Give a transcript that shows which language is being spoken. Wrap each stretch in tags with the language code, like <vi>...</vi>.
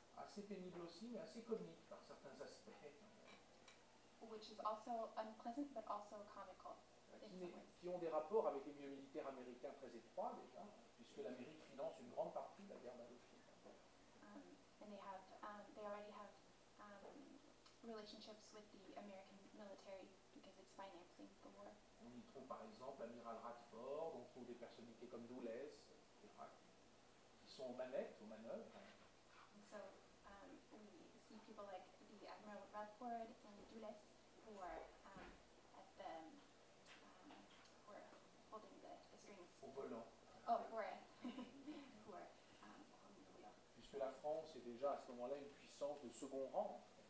<fr>Assez pénible aussi, mais assez comique par certains aspects.</fr> <en>Which is also unpleasant, but also comical.</en> <fr>Qui ont des rapports avec les milieux militaires américains très étroits déjà, puisque l'Amérique finance une grande partie de la guerre d'Indochine.</fr> <en>And they have, they already have relationships with the American military because it's financing the war.</en> <fr>On y trouve par exemple l'amiral Radford, on trouve des personnalités comme Doulez, etc., qui sont aux manettes, aux manœuvres.</fr> <en>And so we see people like the Admiral Radford and Doulez.</en> <fr>Puisque la France est déjà à ce moment-là une puissance de second rang.</fr>